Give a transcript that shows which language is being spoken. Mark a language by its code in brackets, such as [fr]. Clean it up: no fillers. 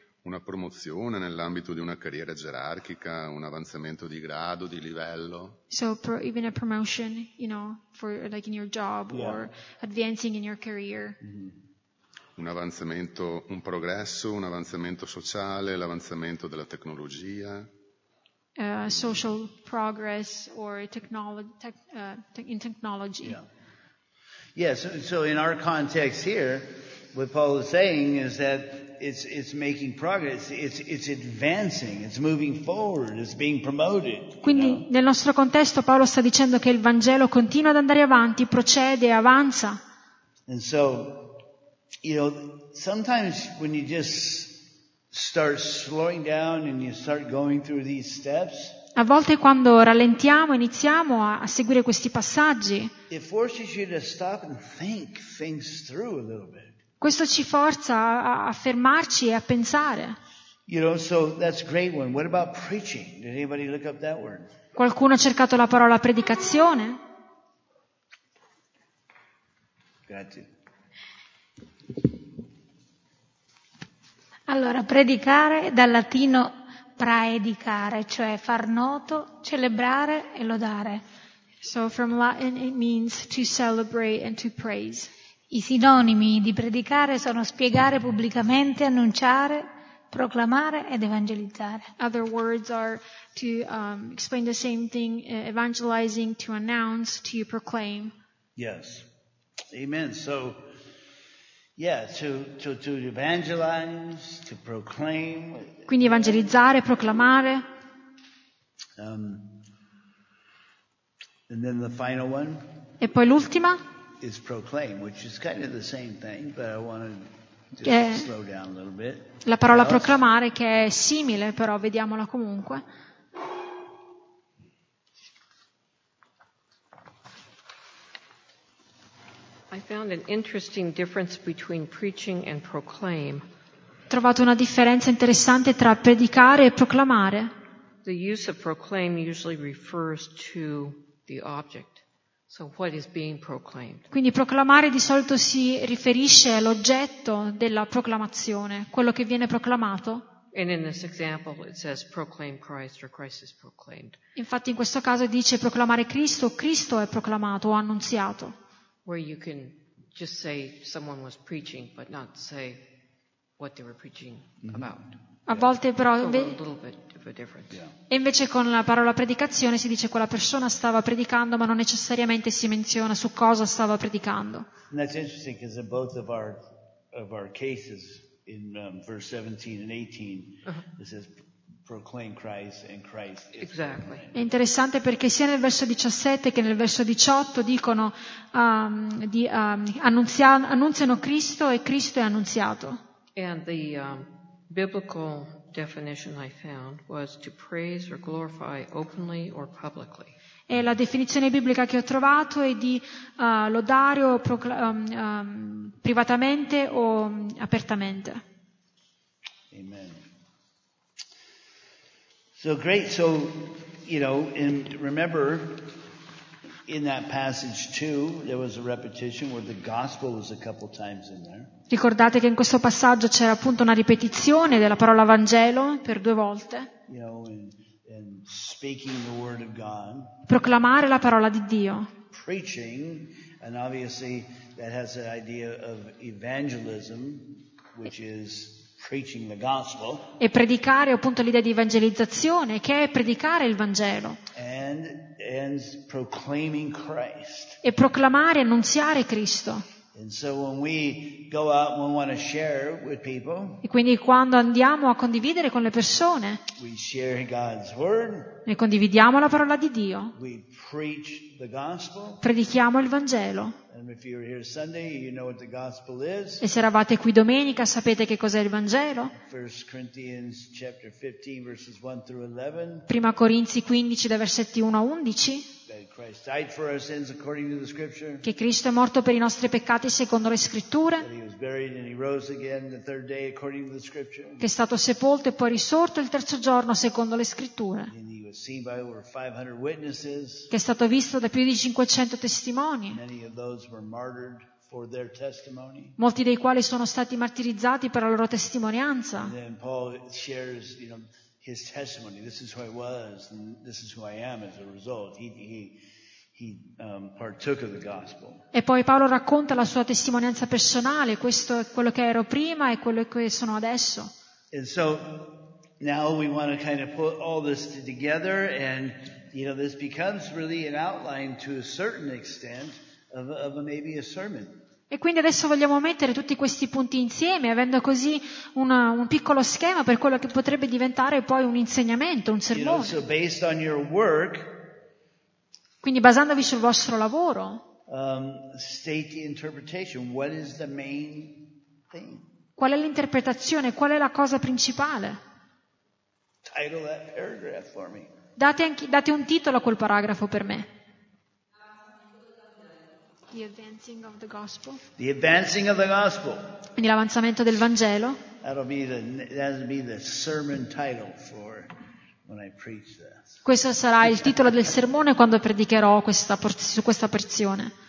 [it] Una promozione nell'ambito di una carriera gerarchica, un avanzamento di grado, di livello. [en] So even a promotion, you know, for like in your job, yeah, or advancing in your career. [it] Mm-hmm. Un avanzamento, un progresso, un avanzamento sociale, l'avanzamento della tecnologia. [en] Social progress or in technology. Yeah. Yeah, so in our context here, what Paul is saying is that it's making progress, it's advancing, it's moving forward, it's being promoted. [it] Quindi, [en] you know? [it] Nel nostro contesto Paolo sta dicendo che il Vangelo continua ad andare avanti, procede, avanza. [en] And so, you know, sometimes when you just start slowing down and you start going through these steps, [it] a volte quando rallentiamo iniziamo a seguire questi passaggi, [en] it forces you to stop and think things through a little bit. [it] Questo ci forza a fermarci e a pensare. [en] You know, so that's a great one. What about preaching? Did anybody look up that word? [it] Qualcuno ha cercato la parola predicazione? Grazie. Allora, predicare dal latino praedicare, cioè far noto, celebrare e lodare. [en] So from Latin it means to celebrate and to praise. [it] I sinonimi di predicare sono spiegare pubblicamente, annunciare, proclamare ed evangelizzare. [en] Other words are to explain the same thing, evangelizing, to announce, to proclaim. Yes. Amen. So, yeah, to evangelize, to proclaim. [it] Quindi evangelizzare, proclamare. [en] And then the final one. [it] E poi l'ultima. [en] Is proclaim, which is kind of the same thing, but I wanted to slow down a little bit. [it] La parola proclamare, che è simile, però vediamola comunque. [en] I found an interesting difference between preaching and proclaim. [it] Trovato una differenza interessante tra predicare e proclamare. [en] The use of proclaim usually refers to the object. So what is being proclaimed? [it] Quindi proclamare di solito si riferisce all'oggetto della proclamazione, quello che viene proclamato. [en] And in this example it says proclaim Christ or Christ is proclaimed. [it] Infatti in questo caso dice proclamare Cristo, Cristo è proclamato o annunziato. [en] Where you can just say someone was preaching but not say what they were preaching about. [it] A volte però e invece con la parola predicazione si dice quella persona stava predicando, ma non necessariamente si menziona su cosa stava predicando. [en] And that's interesting because in both of our cases in verse 17 and 18 it says proclaim Christ and Christ is exactly. [it] È interessante perché sia nel verso 17 che nel verso 18 dicono annunziano Cristo e Cristo è annunziato. [en] And the biblical definition I found was to praise or glorify openly or publicly. [it] E la definizione biblica che ho trovato è di lodare o privatamente o apertamente. [en] Amen. So great. So, you know, and remember in that passage too, there was a repetition where the gospel was a couple times in there. [it] Ricordate che in questo passaggio c'era appunto una ripetizione della parola Vangelo per due volte. [en] You know, and speaking the word of God, [it] proclamare la parola di Dio. [en] Preaching, and obviously that has the idea of evangelism, which is preaching the gospel. [it] E predicare appunto l'idea di evangelizzazione, che è predicare il Vangelo. [en] And proclaiming Christ. [it] E proclamare, annunziare Cristo. [en] And so when we go out and we want to share with people, [it] e quindi quando andiamo a condividere con le persone, [en] we share God's word, [it] noi condividiamo la parola di Dio, [en] we preach the gospel, [it] predichiamo il Vangelo. [en] And if you're here Sunday, you know what the gospel is. [it] E se eravate qui domenica, sapete che cos'è il Vangelo. [en] 1 Corinthians chapter 15, verses 1 through 11. [it] Prima Corinzi 15, dai versetti 1 a 11. [en] Christ died for our sins according to the scripture. [it] Che Cristo è morto per i nostri peccati secondo le scritture. [en] That he was buried and he rose again the third day according to the scripture. [it] Che è stato sepolto e poi risorto il terzo giorno secondo le scritture. [en] And he was seen by over 500 witnesses. [it] Che è stato visto da più di 500 testimoni. [en] Many of those were martyred for their testimony. [it] Molti dei quali sono stati martirizzati per la loro testimonianza. [en] And then Paul shares, you know, his testimony. This is who I was, and this is who I am as a result. He partook of the gospel. [it] E poi Paolo racconta la sua testimonianza personale. Questo è quello che ero prima e quello che sono adesso. [en] And so now we want to kind of put all this together, and you know, this becomes really an outline to a certain extent of maybe a sermon. [it] E quindi adesso vogliamo mettere tutti questi punti insieme, avendo così un piccolo schema per quello che potrebbe diventare poi un insegnamento, un sermone. [en] You know, so based on your work. [it] Quindi basandovi sul vostro lavoro, [en] state the interpretation. What is the main thing? [it] Qual è l'interpretazione? Qual è la cosa principale? [en] Title that paragraph for me. [it] Date un titolo a quel paragrafo per me. [en] The advancing of the gospel. The advancing of the gospel. [it] Quindi l'avanzamento del Vangelo. [en] That'll be the sermon title for when I preach that. [it] Questo sarà il titolo del sermone quando predicherò questa porzione.